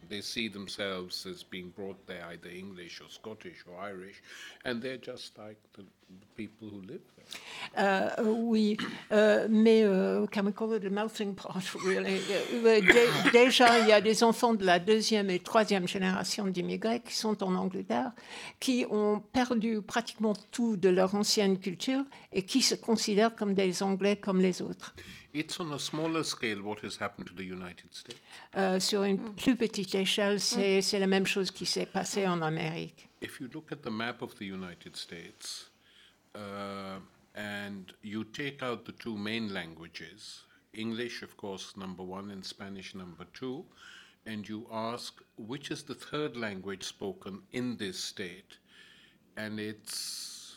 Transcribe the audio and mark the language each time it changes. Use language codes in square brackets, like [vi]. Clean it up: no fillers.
[en] They see themselves as being brought there, either English or Scottish or Irish, and they're just like the people who live there. Can we call it a melting pot, really? [fr] Déjà, il y a des enfants de la deuxième et troisième génération d'immigrés qui sont en Angleterre, qui ont perdu pratiquement tout de leur ancienne culture et qui se considèrent comme des Anglais comme les autres. [en] It's on a smaller scale what has happened to the United States. [fr] Sur une plus petite échelle, c'est la même chose qui s'est passé en Amérique. [en] If you look at the map of the United States, and you take out the two main languages, English, of course, number one, and Spanish, number two, and you ask which is the third language spoken in this state, and it's